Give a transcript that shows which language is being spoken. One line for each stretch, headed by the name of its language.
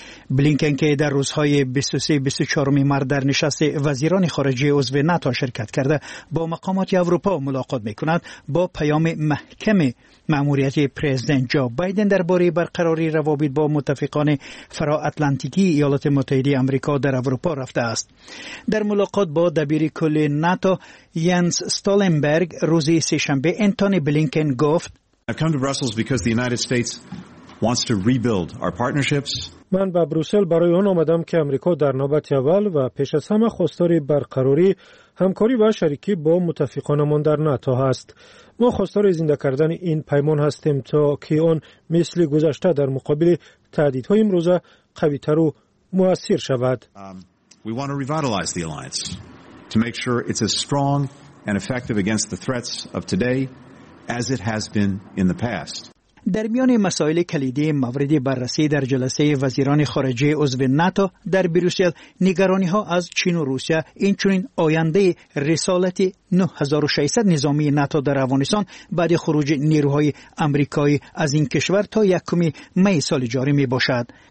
Persian: بلینکن که در روزهای 23-24 مارس در نشست وزیران خارجه عضو ناتو شرکت کرده با مقامات اروپا ملاقات میکند، با پیام محکم ماموریت پرزیدنت جو بایدن درباره برقراری روابط با متفقان فرا اتلانتیکی ایالات متحده آمریکا در اروپا رفته است. در ملاقات با دبیر کل ناتو ینس استولنبرگ روز سه‌شنبه، انتونی بلینکن گفت:
English: I've come to Brussels because the United States wants to rebuild our partnerships.
Persian: من به بروسل برای آن آمدم که آمریکا در نوبت اول و پیش از همه خواستار برقراری همکاری و شریکی با متفقانمان در ناتو هست. ما خواستار زنده کردن این پیمان هستیم تا که آن مثل گذشته در مقابل تهدیدهای امروزه قوی تر و مؤثر شود.
English: We want to revitalize the alliance to make sure it's as strong and effective against the threats of today as it has been in the past.
Persian: در میان مسائل کلیدی مورد بررسی در جلسه وزیران خارجه عضو ناتو در بروسل، نگرانی ها از چین و روسیه، اینچنین آینده رسالت 9600 نظامی ناتو در افغانستان بعد خروج نیروهای آمریکایی از این کشور تا 1 می سال جاری می باشد.